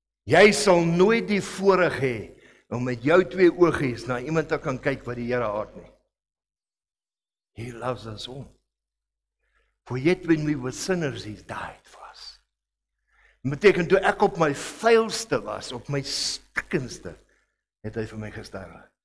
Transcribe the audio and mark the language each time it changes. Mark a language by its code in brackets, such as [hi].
[af] Jy sal nooit die voorreg hê om met jou twee oogies na iemand te kan kyk wat die Here haat nie. [en] He loves us all. For yet when we were sinners, he died for us. [af] Beteken, toe ek op my vuilste was, op my stikkendste, het hy vir my gesterwe.